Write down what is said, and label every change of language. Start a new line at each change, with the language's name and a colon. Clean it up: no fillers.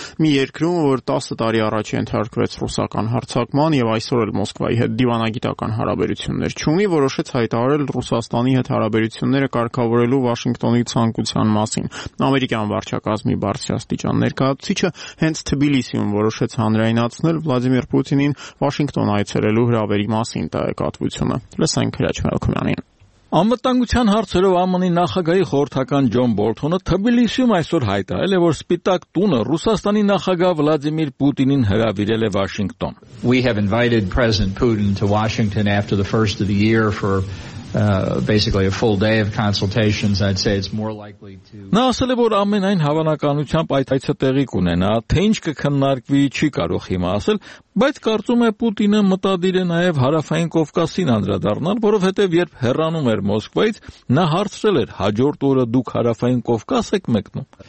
Armenian: մի երկրում, որ 10 տարի առաջ ենթարկվեց ռուսական հարձակման և այսօր էլ Մոսկվայի հետ դիվանագիտական հարաբերություններ չունի, որոշեց հայտարարել Ռուսաստանի հետ հարաբերությունները կարգավորելու Վաշինգտոնի ցանկության մասին։ Ամերիկյան վարչակազմի բարձրաստիճան ներկայացուցիչը հենց Թբիլիսիում որոշեց հանրայնացնել Վլադիմիր Պուտինին Վաշինգտոն այցելելու հրավերի մասին տեղեկատվությունը։ Լսենք Հրաչ Մելքումյանին։ Անվտանգության հարցերով ԱՄՆ-ի նախագահի խորհրդական Ջոն Բոլթոնը Թբիլիսիում այսօր հայտարարել է, որ Սպիտակ տունը Ռուսաստանի նախագահ Վլադիմիր Պուտինին հրավիրել է Վաշինգտոն։
English: We have invited President Putin to Washington after the first of the year for basically a full day of consultations. I'd say it's more likely to
Armenian: Նա ասել է, որ ամենայն հավանականությամբ այդ այցը տեղի կունենա, թե ինչ կքննարկվի, չի կարող հիմա ասել, բայց կարծում է Պուտինը մտադիր է նաև հարավային Կովկասին անդրադառնալ, որովհետև երբ հեռանում էր Մոսկվայից, նա հարցրել էր հաջորդ օրը դուք հարավային Կովկաս եք մեկնում։